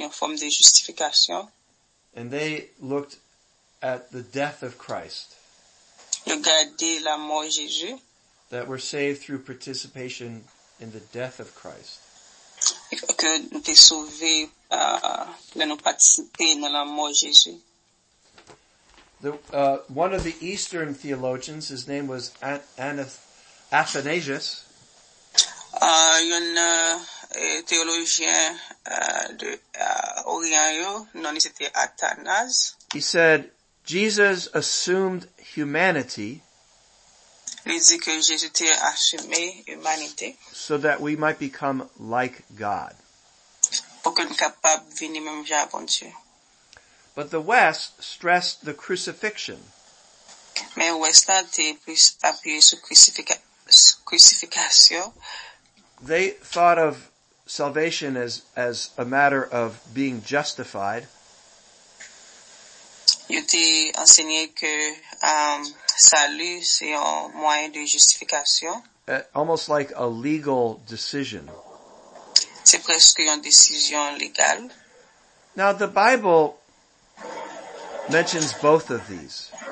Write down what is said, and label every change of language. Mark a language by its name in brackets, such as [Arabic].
[English] And they looked at the death of Christ. That we're saved through participation in the death of Christ. [French] Que nous t'es sauvé de nous participer dans la mort de Jésus. [English] One of the Eastern theologians, his name was Athanasius. [French] Un théologien de Orient, non, c'était Athanase. [English] He said, Jesus assumed humanity. [French] Il dit que Jésus a assumé l'humanité. [English] So that we might become like God. [French] Pour qu'on soit capable de venir même déjà avant Dieu. [English] But the West stressed the crucifixion. [French] Mais l'Ouest a été plus appuyé sur crucifixion. [English] They thought of salvation as a matter of being justified. [French] Il était enseigné que salut, c'est un moyen de justification. [English] Almost like a legal decision. [French] C'est presque une décision légale. [English] Now, the Bible mentions both of these.